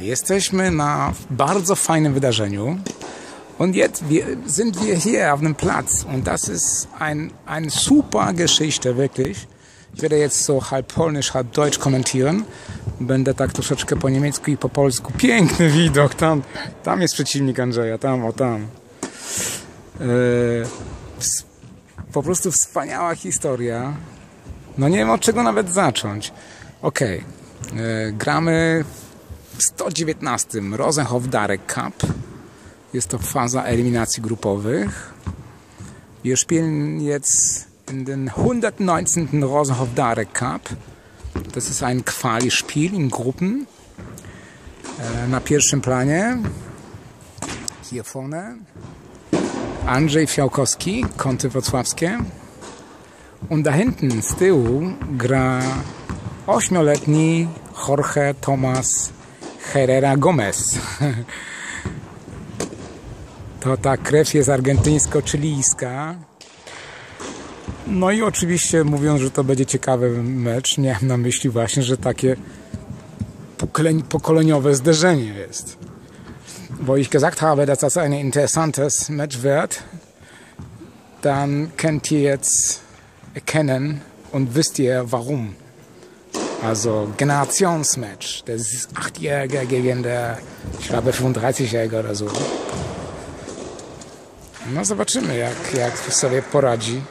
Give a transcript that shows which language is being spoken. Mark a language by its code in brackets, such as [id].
[pl] Jesteśmy na bardzo fajnym wydarzeniu. [de] Und jetzt sind wir hier auf dem Platz. Und das ist ein super Geschichte, wirklich. Ich werde jetzt so halb polnisch, halb deutsch kommentieren. [pl] Będę tak troszeczkę po niemiecku i po polsku. Piękny widok. Tam jest przeciwnik Andrzeja. Tam. Po prostu wspaniała historia. No nie wiem, od czego nawet zacząć. Okej. Okay. Gramy w 119. Rosenhof Darek Cup. Jest to faza eliminacji grupowych. [de] Wir spielen jetzt in den 119. Rosenhof Darek Cup. Das ist ein Quali-Spiel in Gruppen. [pl] Na pierwszym planie. [de] Hier vorne. [pl] Andrzej Fiałkowski, Konty Wrocławskie. [de] Und da hinten, [pl] z tyłu, gra 8-letni Jorge Tomas Herrera Gomez. To ta krew jest argentyńsko-chilijska. No i oczywiście mówiąc, że to będzie ciekawy mecz, miałem na myśli właśnie, że takie pokoleniowe zderzenie jest. [de] Bo ich gesagt habe, dass das ein interessantes Match wird, dann könnt ihr jetzt erkennen und wisst ihr warum. Also Generationsmatch, das ist 8-Jährige gegen der, ich glaube, 35-Jährige oder so. [pl] No zobaczymy, jak sobie poradzi.